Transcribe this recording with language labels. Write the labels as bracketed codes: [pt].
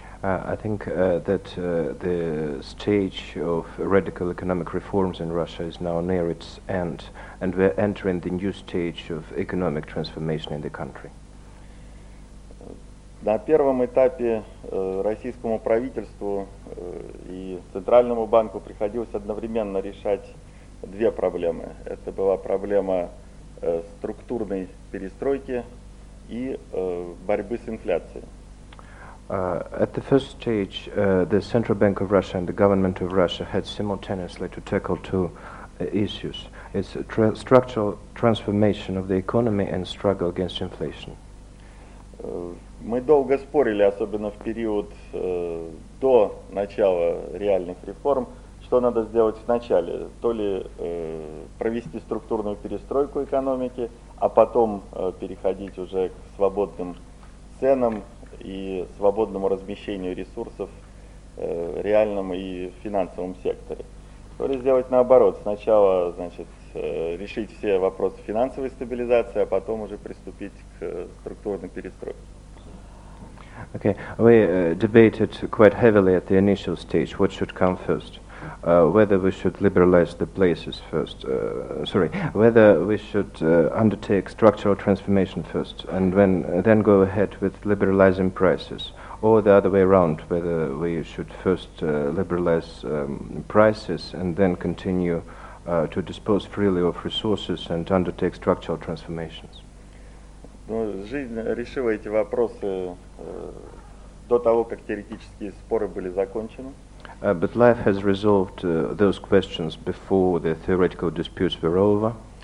[en] I think that the stage of radical economic reforms in Russia is now near its end, and we're entering the new stage of economic transformation in the country. [ru] На первом этапе российскому правительству и Центральному банку приходилось одновременно решать две проблемы. Это была проблема структурной перестройки и борьбы с инфляцией. [en] At the first stage, the Central Bank of Russia and the government of Russia had simultaneously to tackle two issues. It's structural transformation of the economy and struggle against inflation. [ru] Мы долго спорили, особенно в период до начала реальных реформ, что надо сделать вначале, то ли провести структурную перестройку экономики, а потом переходить уже к свободным ценам и свободному размещению ресурсов в реальном и финансовом секторе. То ли сделать наоборот, сначала, значит, решить все вопросы финансовой стабилизации, а потом уже приступить к структурной перестройке. [en] Okay, we debated quite heavily at the initial stage what should come first, whether we should liberalize the places first, whether we should undertake structural transformation first and then go ahead with liberalizing prices, or the other way around, whether we should first liberalize prices and then continue to dispose freely of resources and undertake structural transformations. [ru] Ну, жизнь решила эти вопросы до того, как теоретические споры были закончены. [en] But life has resolved those questions before the theoretical disputes were over.